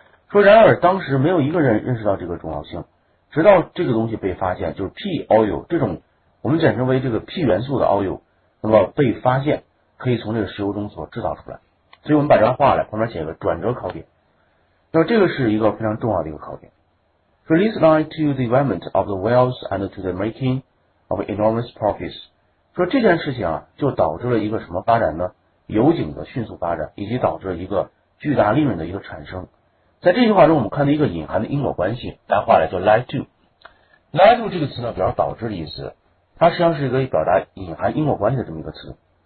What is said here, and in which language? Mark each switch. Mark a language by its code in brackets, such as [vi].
[zh] 说然而当时没有一个人认识到这个重要性，直到这个东西被发现，就是 P oil 这种我们简称为这个 P 元素的 oil， 那么被发现可以从这个石油中所制造出来。所以我们把这段话来旁边写一个转折考点，那么这个是一个非常重要的一个考点。 [en] So this led to the development of the wells and to the making of enormous profits。 [zh] 说这件事情啊就导致了一个什么发展呢？油井的迅速发展，以及导致了一个巨大利润的一个产生。在这句话中我们看到一个隐含的因果关系，大家画来叫 led to。 led to 这个词呢表示导致的意思，它实际上是一个表达隐含因果关系的这么一个词。